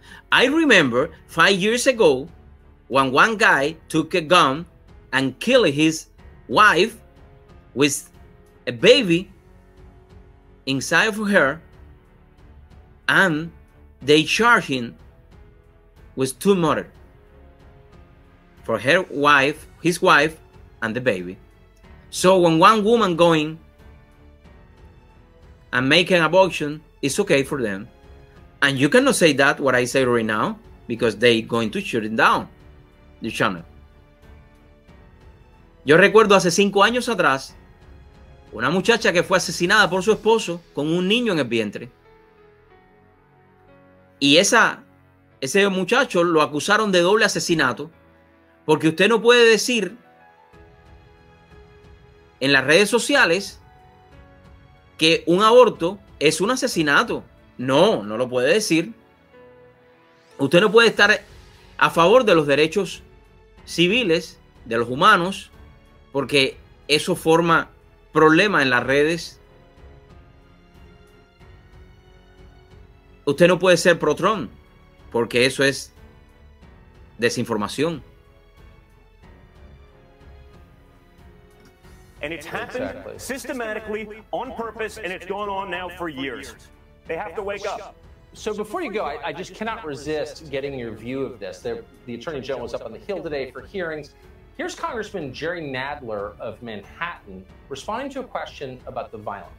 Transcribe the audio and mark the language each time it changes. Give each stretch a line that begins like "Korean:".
English: I remember 5 years ago, when one guy took a gun and killed his wife with a baby inside of her, and they charged him with two murder for her wife, his wife, and the baby. So when one woman going and make an abortion, it's okay for them. And you cannot say that, what I say right now, because they going to shut it down, the channel.
Spanish: Yo recuerdo hace 5 años atrás, una muchacha que fue asesinada por su esposo con un niño en el vientre. Y ese muchacho lo acusaron de doble asesinato, porque usted no puede decir en las redes sociales que un aborto es un asesinato. No, no lo puede decir. Usted no puede estar a favor de los derechos civiles, de los humanos, porque eso forma problema en las redes. Usted no puede ser pro-Trump, porque eso es desinformación.
English: And it's happened systematically, on purpose, and it's gone on now for years. They have to wake up. So before you go, I just cannot resist getting your view of this. The Attorney General was up on the Hill today for hearings. Here's Congressman Jerry Nadler of Manhattan responding to a question about the violence.